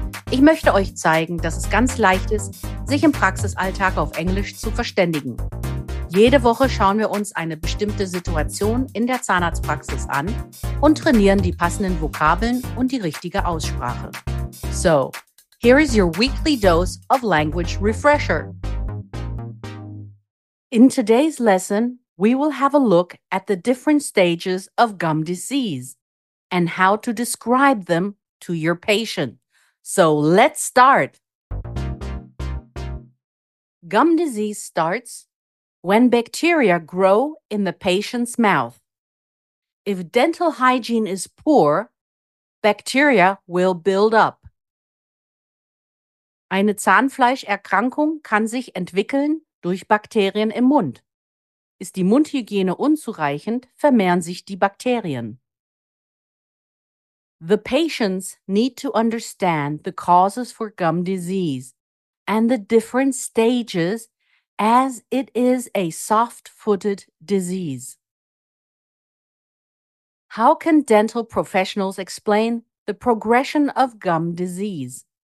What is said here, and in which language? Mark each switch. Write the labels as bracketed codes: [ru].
[de] Ich möchte euch zeigen, dass es ganz leicht ist, sich im Praxisalltag auf Englisch zu verständigen. Jede Woche schauen wir uns eine bestimmte Situation in der Zahnarztpraxis an und trainieren die passenden Vokabeln und die richtige Aussprache. [en] So, here is your weekly dose of language refresher. In today's lesson, we will have a look at the different stages of gum disease and how to describe them to your patient. So let's start. Gum disease starts when bacteria grow in the patient's mouth. If dental hygiene is poor, bacteria will build up. [de] Eine Zahnfleischerkrankung kann sich entwickeln durch Bakterien im Mund. Ist die Mundhygiene unzureichend, vermehren sich die Bakterien. [en] The patients need to understand the causes for gum disease and the different stages as it is a soft-footed disease. How can dental professionals explain the progression of gum disease?